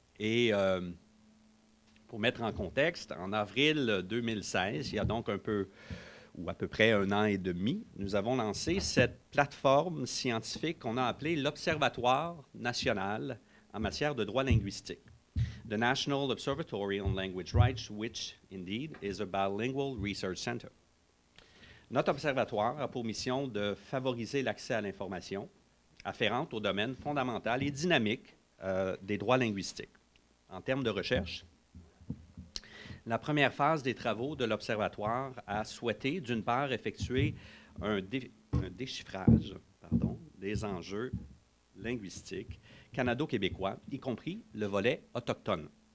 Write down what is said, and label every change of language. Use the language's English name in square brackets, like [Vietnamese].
[French] Et pour mettre en contexte, en avril 2016, il y a donc un peu, ou à peu près un an et demi, nous avons lancé cette plateforme scientifique qu'on a appelée l'Observatoire national en matière de droit linguistique. [English] The National Observatory on Language Rights, which, indeed, is a bilingual research center. [French] Notre observatoire a pour mission de favoriser l'accès à l'information afférente au domaine fondamental et dynamique des droits linguistiques. En termes de recherche, la première phase des travaux de l'Observatoire a souhaité, d'une part, effectuer un déchiffrage des enjeux linguistiques canado-québécois, y compris le volet autochtone.